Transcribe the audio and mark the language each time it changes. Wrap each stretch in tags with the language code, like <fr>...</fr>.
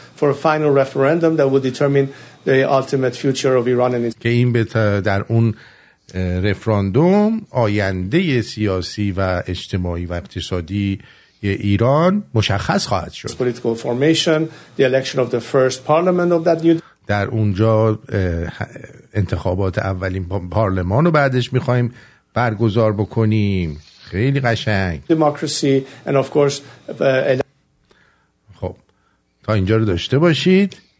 <en>for a final referendum that will determine the ultimate future of Iran and</en> <fa>که این به در اون رفراندوم آینده سیاسی و اجتماعی و اقتصادی ایران مشخص خواهد شد.</fa> <en>Political formation, the election of the first parliament of that new.</en> <fa>در اونجا انتخابات اولین پارلمان رو بعدش می‌خوایم برگزار بکنیم. خیلی قشنگ.</fa> <en>Democracy and of course.</en> <fa>خب تا اینجا رو داشته باشید.</fa>